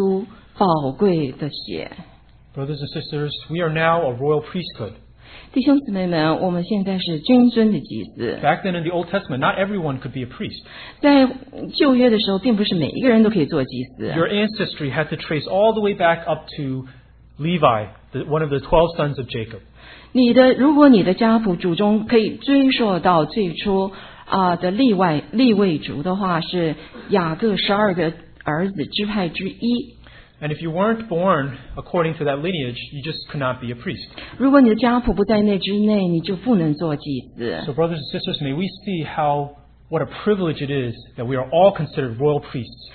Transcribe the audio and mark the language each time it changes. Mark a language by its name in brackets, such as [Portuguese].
[Chinese] 而是用他的儿子耶稣宝贵的血。 [English] Brothers and sisters, we are now a royal priesthood. [Chinese] 弟兄姊妹们，我们现在是君尊的祭司。 [English] Back then in the Old Testament, not everyone could be a priest. [Chinese] 在旧约的时候，并不是每一个人都可以做祭司。 [English] Your ancestry had to trace all the way back up to Levi, one of the 12 sons of Jacob. [Chinese] 如果你的家谱祖宗可以追溯到最初的利未族的话，是雅各十二个儿子支派之一。 [English] And if you weren't born according to that lineage, you just could not be a priest. [Chinese] 如果你的家谱不在那之内，你就不能做祭司。 [English] So brothers and sisters, may we see how what a privilege it is that we are all considered royal priests.